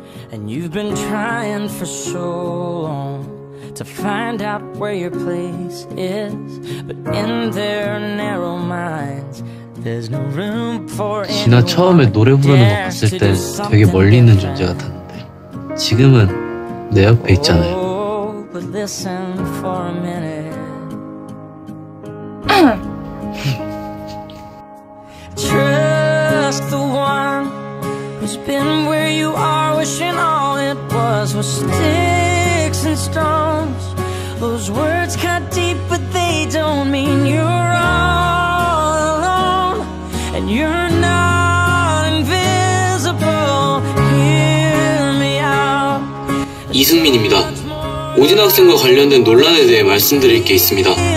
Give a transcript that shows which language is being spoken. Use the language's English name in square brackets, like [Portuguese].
[English] And you've been trying for so long to find out where your place is, but in their narrow minds, there's no room for anyone. [Korean] 진아 처음에 노래 부르는 거 봤을 때 되게 멀리 있는 존재 같았는데 지금은 내 옆에 있잖아요. [English] But listen for a minute. Trust the one who's been where you are wishing all. With sticks and stones, those words cut deep, but they don't mean you're all and you're not invisible. Hear me out. [Korean] 이승민입니다. 오진학생과 관련된 논란에 대해 말씀드릴 게 있습니다.